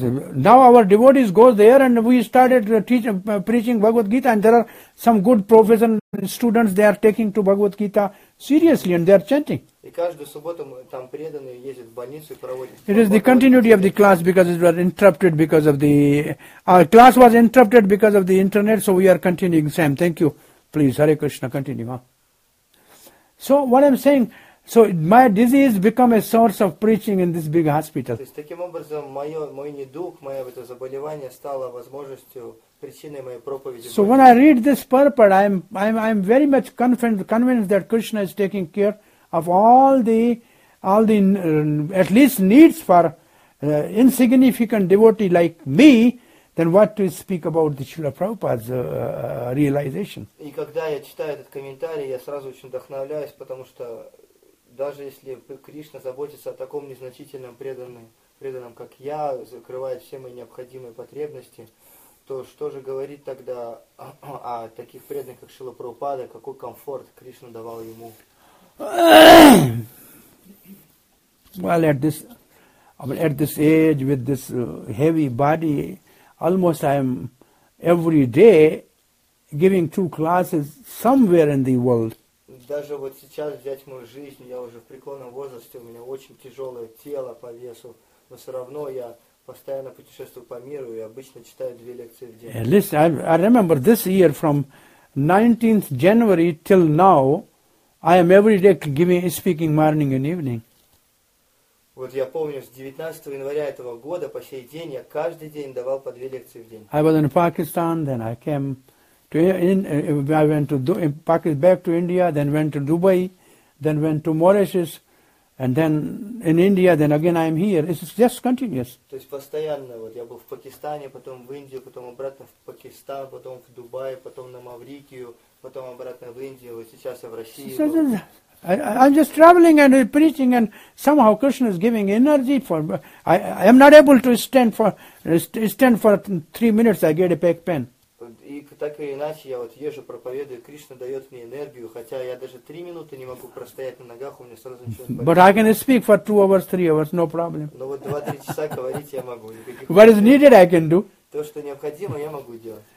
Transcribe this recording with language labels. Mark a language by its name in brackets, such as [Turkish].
[English] Now our devotees go there and we started preaching Bhagavad-gita, and there are some good professional students, they are taking to Bhagavad-gita seriously and they are chanting. [Russian] И каждую субботу там преданные ездят в больницу и проводят. [English] It is the continuity of the class because it was interrupted because of the class was interrupted because of the internet, so we are continuing same. Thank you. Please, Hare Krishna, continue. So what I'm saying, so my disease become a source of preaching in this big hospital. [Russian] То есть таким образом мой недуг, мое это заболевание стало возможностью, причиной моей проповеди. [English] So when I read this purport, I'm very much convinced that Krishna is taking care of all the at least needs for insignificant devotee like me, then what to speak about the Srila Prabhupada's realization. [Russian] И когда я читаю этот комментарий, я сразу очень вдохновляюсь, потому что даже если Кришна заботится о таком незначительном преданном, как я, закрывает все мои необходимые потребности, то что же говорит тогда о таких преданных, как Шрила Прабхупада, какой комфорт Кришна давал ему? [English] Well, at this age, with this heavy body, almost I am every day giving two classes somewhere in the world. [Russian] Даже вот сейчас взять мою жизнь, я уже в преклонном возрасте, у меня очень тяжелое тело по весу, но все равно я постоянно путешествую по миру и обычно читаю две лекции в день. [English] Listen, I remember this year from 19th January till now, I am every day speaking morning and evening. [Russian] Вот я помню, с 19 января этого года по сей день я каждый день давал по две лекции в день. [English] I was in Pakistan, then I came to I went to Pakistan, back to India, then went to Dubai, then went to Mauritius, and then in India, then again I am here. It's just continuous. [Russian] То есть постоянно, вот я был в Пакистане, потом в Индию, потом обратно в Пакистан, потом в Дубай, потом на Маврикию, потом обратно в Индию, вот сейчас я в России. [English] So, I'm just traveling and preaching, and somehow Krishna is giving energy for. I am not able to stand for 3 minutes. I get a back pain. [Russian] И так или иначе я вот езжу, проповедую, Кришна дает мне энергию, хотя я даже 3 минуты не могу простоять на ногах, у меня сразу начинает болеть. [English] But I can speak for 2 hours, 3 hours, no problem. [Russian] Но вот 2-3 часа говорить я могу. [English] What is needed, I can do. [Russian] То, что необходимо, я могу делать.